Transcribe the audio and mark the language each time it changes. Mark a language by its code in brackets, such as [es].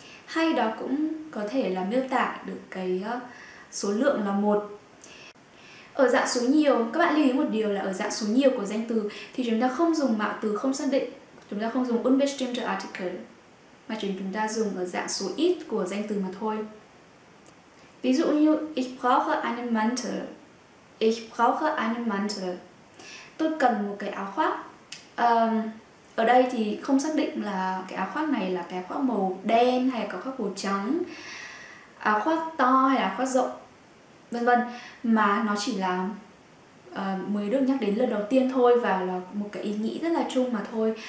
[vi] Hay đó cũng có thể là miêu tả được cái số lượng là một. Ở dạng số nhiều, các bạn lưu ý một điều là ở dạng số nhiều của danh từ thì chúng ta không dùng mạo từ không xác định, chúng ta không dùng unbestimmte Artikel, mà chúng ta dùng ở dạng số ít của danh từ mà thôi. Ví dụ như [de] ich brauche einen Mantel. Ich brauche einen Mantel. [vi] Tôi cần một cái áo khoác. Ở đây thì không xác định là cái áo khoác này là cái áo khoác màu đen hay có khoác màu trắng, áo khoác to hay áo khoác rộng, vân vân. Mà nó chỉ là mới được nhắc đến lần đầu tiên thôi và là một cái ý nghĩ rất là chung mà thôi.